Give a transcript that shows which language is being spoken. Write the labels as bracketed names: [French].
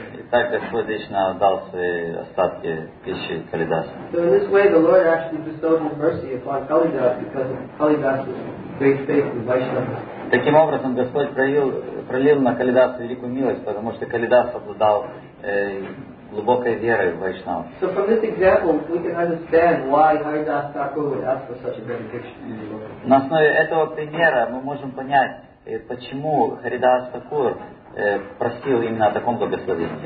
[Russian] Так Господь лично отдал свои остатки пищи Калидасу. [English] So in this way the Lord actually bestowed his mercy upon Kalidas because of Kalidas was [Russian] Таким образом, Господь пролил на Калидаса великую милость, потому что Калидас обладал глубокой верой в Вайшнава. [English] So from this example, we can understand why Haridas Thakur would ask for such a benediction. [Russian] На основе этого примера мы можем понять, почему Харидас Такур просил именно о таком благословении.